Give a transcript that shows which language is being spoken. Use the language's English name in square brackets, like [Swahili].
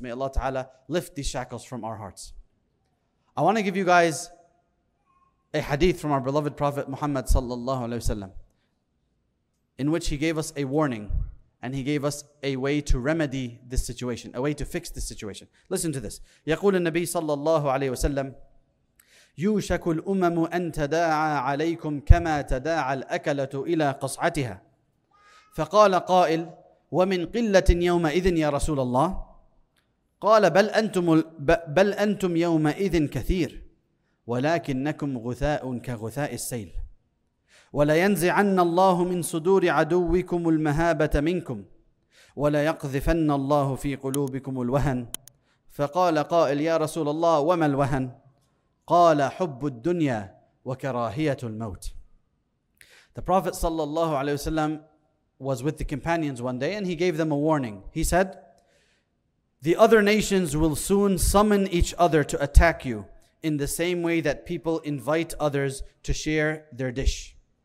[English] May Allah Ta'ala lift these shackles from our hearts. I want to give you guys a hadith from our beloved Prophet Muhammad sallallahu alaihi wasallam, in which he gave us a warning and he gave us a way to remedy this situation, a way to fix this situation. Listen to this. [Arabic] يقول النبي صلى الله عليه وسلم, يوشك الأمم أن تداعى عليكم كما تداعى الأكلة إلى قصعتها. فقال قائل, ومن قلة يومئذ يا رسول الله؟ قال, بل أنتم يومئذ كثير, ولكنكم غثاء كغثاء السيل. ولينزعن الله من صدور عدوكم المهابة منكم, وليقذفن الله في قلوبكم الوهن. فقال قائل, يا رسول الله, وما الوهن؟ قال, حب الدنيا وكراهية الموت. [English] The Prophet sallallahu alaihi wasallam was with the companions one day and he gave them a warning. He said, "The other nations will soon summon each other to attack you in the same way that people invite others to share their dish."